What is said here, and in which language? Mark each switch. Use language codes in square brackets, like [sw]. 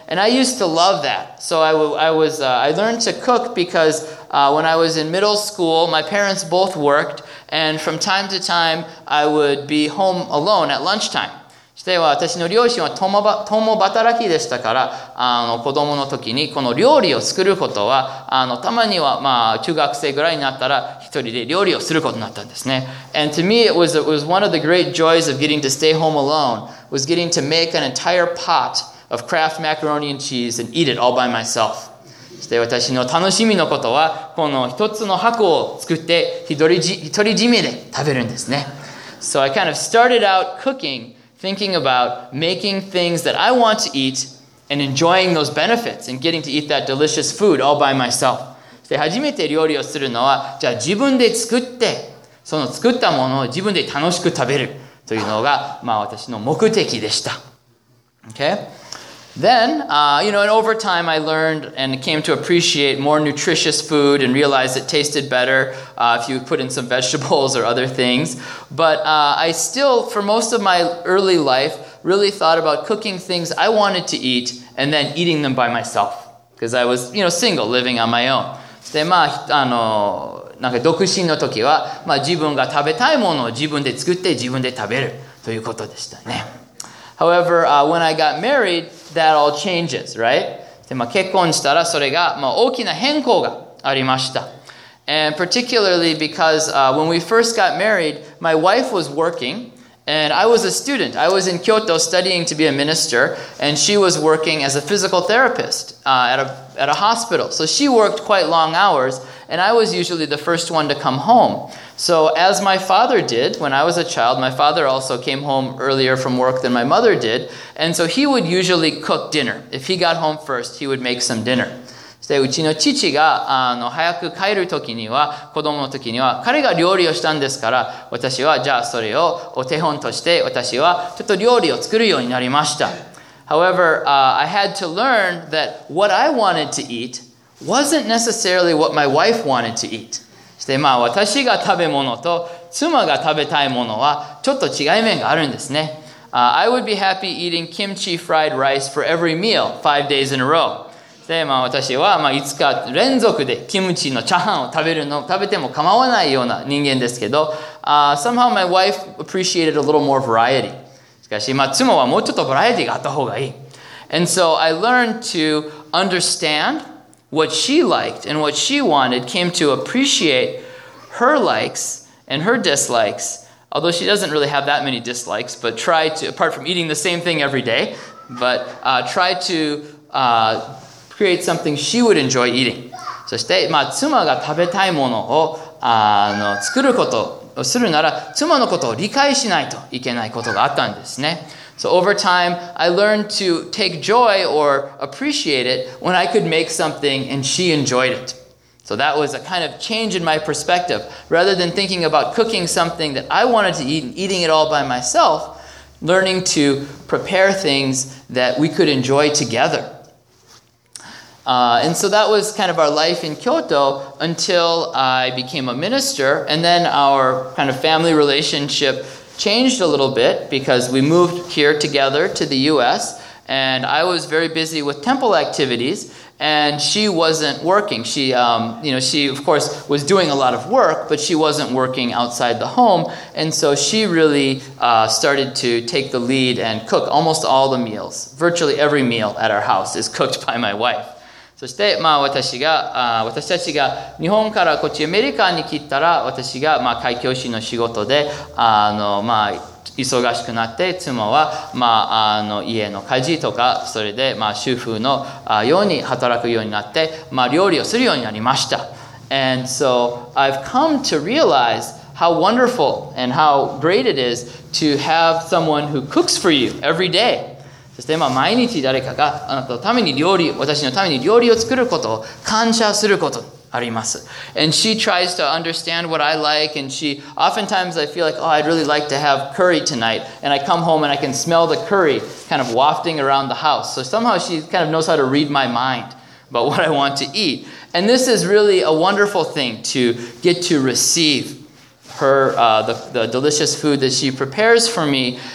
[en] And I used to love that. So I learned to cook because, when I was in middle school, my parents both worked, and from time to time, I would be home alone at lunchtime. [ja] しては私の両親は共働きでしたから、子供の時にこの料理を作ることは、たまには、まあ、中学生ぐらいになったら一人で料理をすることになったんですね。 [en] And to me, it was one of the great joys of getting to stay home alone. Was getting to make an entire pot of Kraft macaroni and cheese and eat it all by myself. [ja] そして私の楽しみのことは、この一つの箱を作って一人占めで食べるんですね。 [en] So I kind of started out cooking, thinking about making things that I want to eat and enjoying those benefits and getting to eat that delicious food all by myself. [ja] そして初めて料理をするのは、じゃあ自分で作って、その作ったものを自分で楽しく食べる。というのが、まあ、私の目的でした。 [en] Okay. Then, and over time I learned and came to appreciate more nutritious food and realized it tasted better, if you put in some vegetables or other things. But, I still, for most of my early life, really thought about cooking things I wanted to eat and then eating them by myself. Because I was, single, living on my own. [ja] で、まあ、なんか独身の時は、まあ、自分が食べたいものを自分で作って自分で食べるということでしたね。 [en] However, when I got married, that all changes, right? [ja] で、まあ、結婚したらそれが、まあ、大きな変更がありました。 [en] And particularly because, when we first got married, my wife was working, and I was a student. I was in Kyoto studying to be a minister, and she was working as a physical therapist, at a hospital. So she worked quite long hours,And I was usually the first one to come home. So as my father did when I was a child, my father also came home earlier from work than my mother did. And so he would usually cook dinner. If he got home first, he would make some dinner. [ja] そしてうちの父が早く帰る時には、子供の時には彼が料理をしたんですから、私はじゃあそれをお手本として私はちょっと料理を作るようになりました。 [en] However, I had to learn that what I wanted to eat,wasn't necessarily what my wife wanted to eat. [ja] そして、まあ、私が食べ物と妻が食べたいものはちょっと違い面があるんですね。 [en] I would be happy eating kimchi fried rice for every meal 5 days in a row. [ja] で、まあ、私は、まあ、いつか連続でキムチのチャーハンを食べても構わないような人間ですけど、 [en] somehow my wife appreciated a little more variety. [ja] しかし、まあ、妻はもうちょっとバラエティがあった方がいい。 [en] And so I learned to understandWhat she liked and what she wanted came to appreciate her likes and her dislikes, although she doesn't really have that many dislikes, but try to, apart from eating the same thing every day, but try to create something she would enjoy eating. [ja] そして、まあ、妻が食べたいものを作ることをするなら、妻のことを理解しないといけないことがあったんですね。 [en] So over time, I learned to take joy or appreciate it when I could make something and she enjoyed it. So that was a kind of change in my perspective. Rather than thinking about cooking something that I wanted to eat and eating it all by myself, learning to prepare things that we could enjoy together. And so that was kind of our life in Kyoto until I became a minister, and then our kind of family relationship changed a little bit because we moved here together to the U.S. And I was very busy with temple activities, and she wasn't working. She, she of course was doing a lot of work, but she wasn't working outside the home. And so she really started to take the lead and cook almost all the meals. Virtually every meal at our house is cooked by my wife. [ja] そして、まあ、私たちが日本からこっちアメリカに来たら、私が、まあ、開教師の仕事で、まあ、忙しくなって、妻は、まあ、家の家事とか、それで、まあ、主婦のように働くようになって、まあ、料理をするようになりました。 [en] And so, I've come to realize how wonderful and how great it is to have someone who cooks for you every day. [ja] そして今毎日誰かがあなたのために料理、私のために料理を作ることを感謝することあります。 [en] And she tries to understand what I like, and she oftentimes I feel like, oh, I'd really like to have curry tonight. And I come home and I can smell the curry kind of wafting around the house. So somehow she kind of knows how to read my mind about what I want to eat. And this is really a wonderful thing to get to receive her, the delicious food that she prepares for me.